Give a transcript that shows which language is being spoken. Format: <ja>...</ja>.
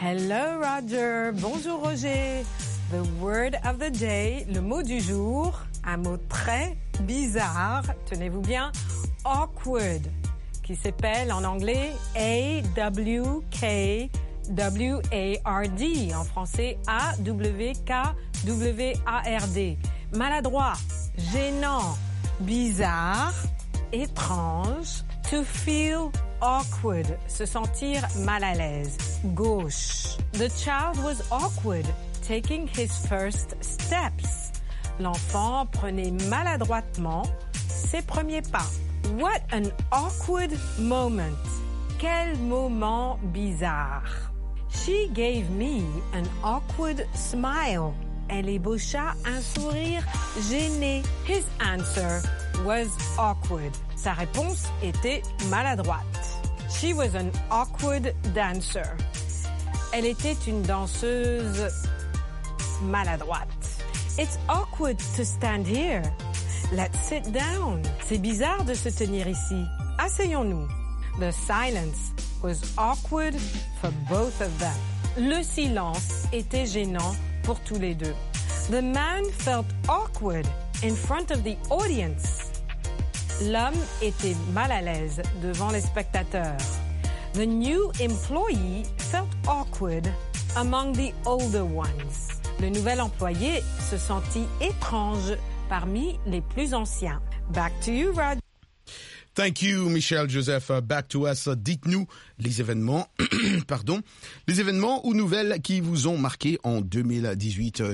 <fr>Hello, Roger. Bonjour, Roger. The word of the day, le mot du jour, un mot très bizarre, tenez-vous bien, « awkward », qui s'appelle en anglais « A-W-K-W-A-R-D », en français « A-W-K-W-A-R-D ». Maladroit, gênant, bizarre, étrange, « to feel awkward », se sentir mal à l'aise. Gauche.</fr> <en>The child was awkward, taking his first steps.</en> <fr>L'enfant prenait maladroitement ses premiers pas.</fr> <en>What an awkward moment. Quel moment bizarre. She gave me an awkward smile.</en> <fr>Elle ébaucha un sourire gêné. His answer was awkward. Sa réponse était maladroite. She was an awkward dancer. Elle était une danseuse maladroite.</fr> <en>It's awkward to stand here. Let's sit down.</en> <fr>C'est bizarre de se tenir ici. Asseyons-nous.</fr> <en>The silence was awkward for both of them.</en> <fr>Le silence était gênant pour tous les deux.</fr> <en>The man felt awkward in front of the audience.</en> <fr>L'homme était mal à l'aise devant les spectateurs.</fr> <en>The new employee felt awkward among the older ones.</en> <fr>Le nouvel employé se sentit étrange parmi les plus anciens.</fr> <en>Back to you, Rod. Thank you, Michel Joseph. Back to us.</en> <fr>Dites-nous les événements, pardon, les événements ou nouvelles qui vous ont marqué en 2018.</fr>